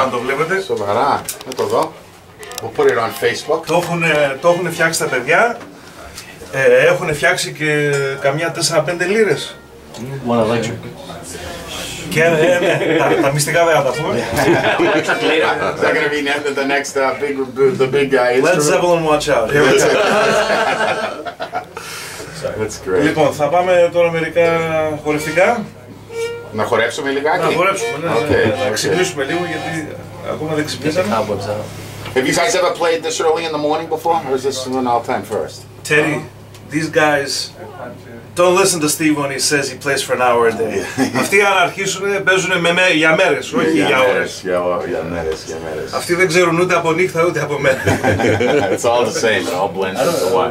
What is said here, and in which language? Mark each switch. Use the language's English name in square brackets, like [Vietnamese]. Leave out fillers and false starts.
[Greek] Αν το βλέπετε. Σοβαρά. Να το δω. [English] We put it on Facebook. [Greek] Το έχουν φτιάξει τα παιδιά. Έχουν φτιάξει και καμιά 4-5 λίρες. [English] One electric. [Greek] Και τα μυστικά δεν θα τα πούμε. [English] Electric lyra. Is that going to be the next big guy? Let Zevlin watch out. Here we go. Sorry, that's great. [Greek] Λοιπόν, θα πάμε τώρα μερικά χορευτικά. Να χορέψουμε λιγάκι. Να χορέψουμε, ναι. Okay. Να ξυπνήσουμε λίγο γιατί ακόμα δεν ξυπνήσαμε. [English] Have you guys ever played this early in the morning before, or is this an all-time first? Teddy, these guys don't listen to Steve when he says he plays for an hour a day. [Greek] Αυτοί αν αρχίσουν, παίζουν για μέρες, όχι για ώρες. Για μέρες. Αυτοί δεν ξέρουν ούτε από νύχτα ούτε από μέρα. [English] It's all the same, it all blends into one.